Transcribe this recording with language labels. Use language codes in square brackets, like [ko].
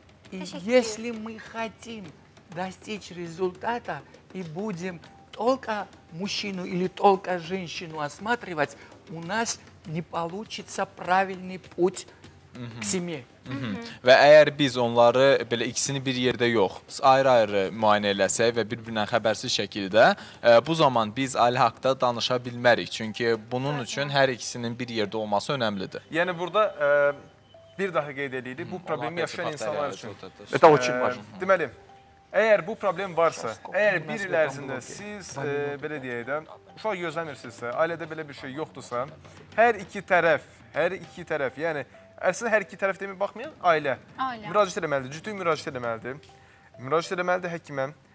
[ru] И если мы хотим достичь результата и будем только мужчину или только женщину осматривать, у нас не получится правильный путь к семье. [az] Və əgər biz onları belə ikisini bir yerdə yox, ayrı-ayrı müayinə eləsək və bir-birindən xəbərsiz şəkildə, bu zaman biz ailə haqda danışa bilmərik. Çünki bunun üçün hər ikisinin bir yerdə olması önəmlidir. Yəni burada bir daha qeyd edirik, bu problemi yaşayan insanlar üçün. Deməli, əgər bu problem varsa, əgər bir il ərzində siz, belə deyək də, uşaq gözləmirsinizsə, ailədə belə bir şey yoxdursa, hər iki tərəf, yəni, əslində, hər iki tərəf demək baxmayan ailə. Müraciət eləməlidir, cütlük müraciət eləməlidir. Müraciət eləməlidir həkimə.